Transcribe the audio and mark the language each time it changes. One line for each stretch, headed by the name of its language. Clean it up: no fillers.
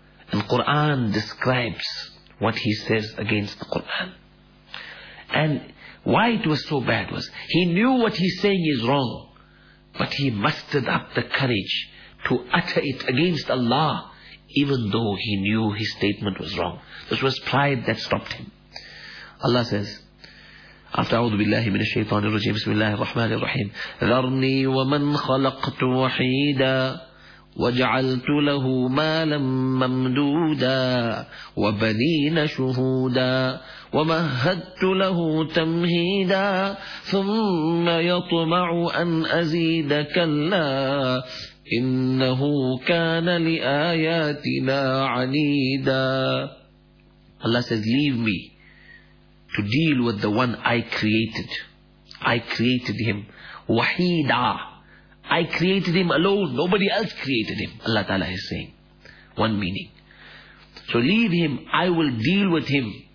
English: And Quran describes what he says against the Quran. And why it was so bad was, he knew what he's saying is wrong, but he mustered up the courage to utter it against Allah, even though he knew his statement was wrong. This was pride that stopped him. Allah says, after
Arabic: أعوذ بالله من الشيطان الرجيم بسم الله الرحمن الرحيم ذرني ومن خلقت وحيدا وجعلت له مالا ممدودا وبنين شهودا ومهدت له تمهيدا ثم يطمع أن أزيد كلا إنه كان لآياتنا عنيدا.
English: Allah says, leave me to deal with the one I created. I created him. Wahida. I created him alone. Nobody else created him. Allah Ta'ala is saying. One meaning. So leave him. I will deal with him.